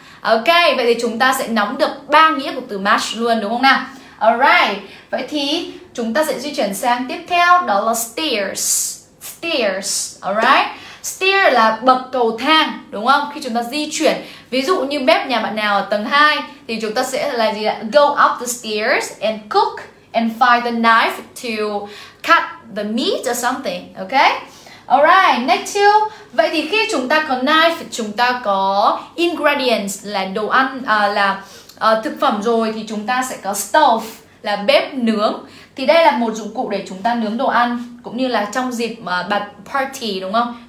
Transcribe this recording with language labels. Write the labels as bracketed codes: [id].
[vi] Ok, vậy thì chúng ta sẽ nắm được ba nghĩa của từ match luôn, đúng không nào? Alright, vậy thì chúng ta sẽ di chuyển sang tiếp theo, đó là stairs. Stairs, alright. Stair là bậc cầu thang, đúng không? Khi chúng ta di chuyển, ví dụ như bếp nhà bạn nào ở tầng 2 thì chúng ta sẽ là gì ạ? [en] Go up the stairs and cook and find the knife to cut the meat or something, ok? Alright, next two. [vi] Vậy thì khi chúng ta có knife, chúng ta có ingredients là đồ ăn, thực phẩm rồi, thì chúng ta sẽ có stove là bếp nướng. Thì đây là một dụng cụ để chúng ta nướng đồ ăn, cũng như là trong dịp party, đúng không?